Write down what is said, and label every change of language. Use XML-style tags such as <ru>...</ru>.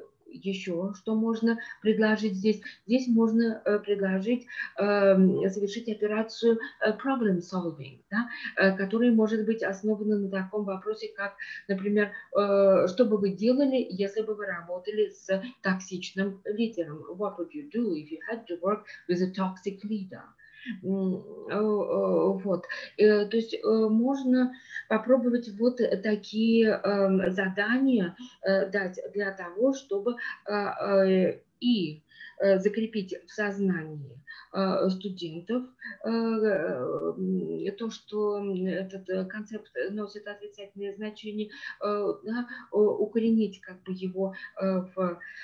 <ru>Еще что можно предложить здесь? Здесь можно предложить завершить операцию problem solving, да, которая может быть основана на таком вопросе, как, например, что бы вы делали, если бы вы работали с токсичным лидером?</ru> <en>What would you do if you had to work with a toxic leader?</en> <ru>Вот, то есть можно попробовать вот такие задания дать для того, чтобы и закрепить в сознании студентов то, что этот концепт носит отрицательное значение, да, укоренить как бы его в</ru>